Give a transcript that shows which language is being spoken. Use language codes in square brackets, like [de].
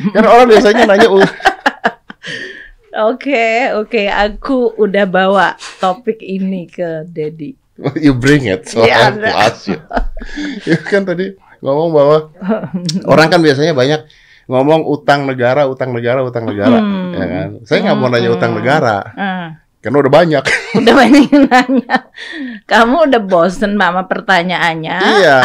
[id] Kan orang biasanya nanya. Oke. Aku udah bawa topik ini ke Daddy. [en] You bring it, so yeah, I'll ask you. [id] You kan tadi ngomong bahwa orang kan biasanya banyak ngomong utang negara. Ya kan? Saya nggak mau nanya utang negara, karena udah banyak. Udah banyak nanya. Kamu udah bosen sama pertanyaannya, iya.